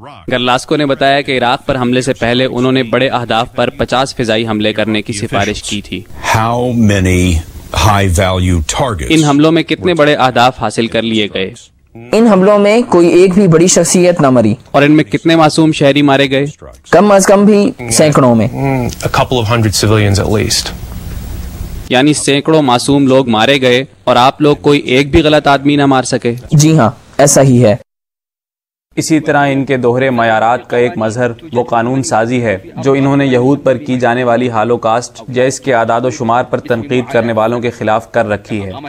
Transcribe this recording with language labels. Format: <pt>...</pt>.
<ur>گرلاسکو نے بتایا کہ عراق پر حملے سے پہلے انہوں نے بڑے اہداف پر 50 فضائی حملے کرنے کی سفارش کی تھی۔</ur> <en>How many high value targets</en> <ur>ان حملوں میں کتنے بڑے اہداف حاصل کر لیے گئے؟ ان حملوں میں کوئی ایک بھی بڑی شخصیت نہ مری۔ اور ان میں کتنے معصوم شہری مارے گئے؟ کم از کم بھی سینکڑوں میں۔</ur> <en>A couple of hundred civilians at least۔</en> <ur>یعنی سینکڑوں معصوم لوگ مارے گئے اور آپ لوگ کوئی ایک بھی غلط آدمی نہ مار سکے؟ جی ہاں، ایسا ہی ہے۔ اسی طرح ان کے دوہرے معیارات کا ایک مظہر وہ قانون سازی ہے جو انہوں نے یہود پر کی جانے والی ہالوکاسٹ یا اس کے اعداد و شمار پر تنقید کرنے والوں کے خلاف کر رکھی ہے۔</ur>